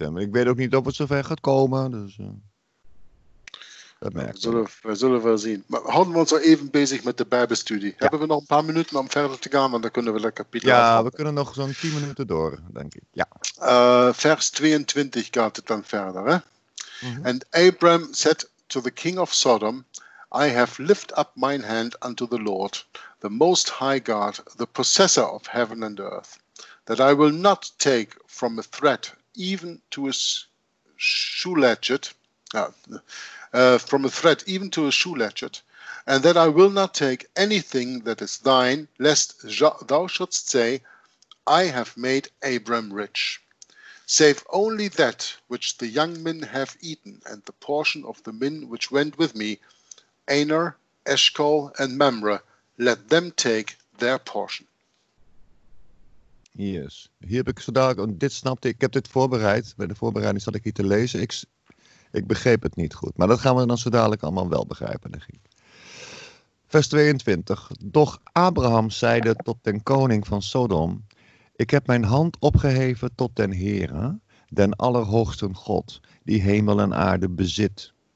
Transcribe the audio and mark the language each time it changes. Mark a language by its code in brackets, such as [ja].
[nl] Ik weet ook niet of het zover gaat komen. Dus, dat merk ik. We zullen wel zien. Maar houden we ons al even bezig met de Bijbelstudie. Ja. Hebben we nog een paar minuten om verder te gaan? Want dan kunnen we dat kapitel afhalen. We kunnen nog zo'n 10 minuten door, denk ik. Ja. Vers 22 gaat het dan verder. Hè? Mm-hmm. [en] And Abram said to the king of Sodom, I have lift up mine hand unto the Lord, the most high God, the possessor of heaven and earth, that I will not take from a threat, even to a shoe-latchet, and that I will not take anything that is thine, lest thou shouldst say, I have made Abram rich, save only that which the young men have eaten, and the portion of the men which went with me, Aner, Eshcol, and Mamre, let them take their portion. Yes. [nl] Hier heb ik zo dadelijk, dit snapte ik, heb dit voorbereid. Bij de voorbereiding zat ik hier te lezen. Ik begreep het niet goed. Maar dat gaan we dan zo dadelijk allemaal wel begrijpen, denk ik. Vers 22. Doch Abraham zeide tot den koning van Sodom, ik heb mijn hand opgeheven tot den Heere, den Allerhoogsten God, die hemel en aarde bezit.